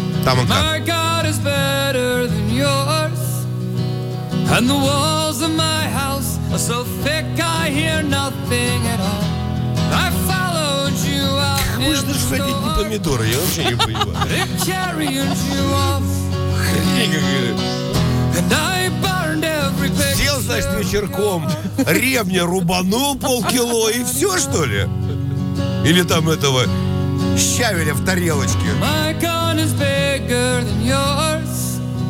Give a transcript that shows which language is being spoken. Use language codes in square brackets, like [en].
[ru] Там он как. [en] My God is better than yours. And the walls of my house are so thick I hear nothing at all. I followed you out in the storm. [ru] Можно же садить не помидоры, я вообще не понимаю. [en] It carried you off. And I burned every picture. [ru] Сел, значит, вечерком, ревня рубанул полкило, и все, что ли? Или там этого щавеля в тарелочке? [en] My gun is bigger than yours.